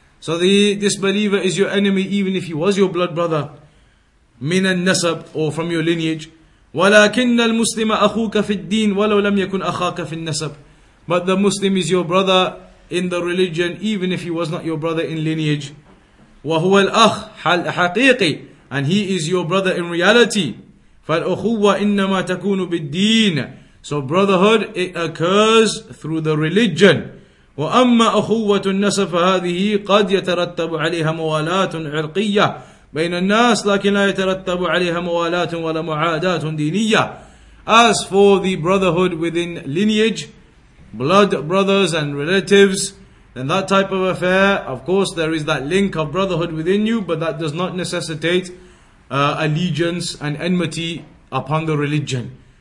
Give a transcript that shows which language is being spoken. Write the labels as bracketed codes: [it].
[en] So the disbeliever is your enemy even if he was your blood brother. [ar] مِنَ النَّسَبْ, [en] or from your lineage. [ar] وَلَكِنَّ الْمُسْلِمَ أَخُوكَ فِي الدِّينِ وَلَوْ لَمْ يَكُنْ أَخَاكَ فِي النَّسَبْ. [en] But the Muslim is your brother in the religion even if he was not your brother in lineage. [ar] وَهُوَ الْأَخُ حَقِيقِي. [en] And he is your brother in reality. [ar] فالأخوة إنما تكون بالدين. [en] So brotherhood, it occurs through the religion. [ar] وأما أخوة النسب فهذه قد يترتب عليها موالات عرقية بين الناس لكن لا يترتب عليها موالات ولا معادات دينية. [en] As for the brotherhood within lineage, blood brothers and relatives, then that type of affair, of course there is that link of brotherhood within you, but that does not necessitate allegiance and enmity upon the religion.